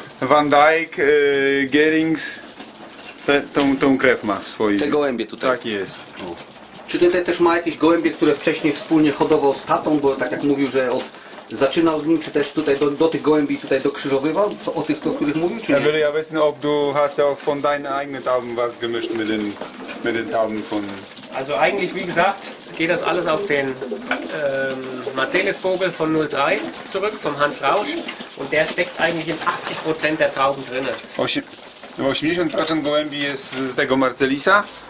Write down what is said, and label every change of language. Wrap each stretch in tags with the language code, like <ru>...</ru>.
<pl>Van Dyck, Gerings, tą krew ma w swojej. Te gołębie tutaj. Tak jest. Czy tutaj też ma jakieś gołębie, które wcześniej wspólnie hodował z tatą, bo tak jak mówił, że od zaczynał z nim, czy też tutaj do tych gołębi tutaj dokrzyżowywał, co, o tych, o których mówił, czy nie?</pl> <de>Ja will ja wissen, ob du hast auch von deinen eigenen Tauben was gemischt mit den Tauben von. Also eigentlich, wie gesagt, geht das alles auf den Marcelis-Vogel von 03 zurück, vom Hans Rausch. Und der steckt eigentlich in 80% der Tauben drin.</de> <pl>80% gołębi jest z tego Marcelisa.</pl>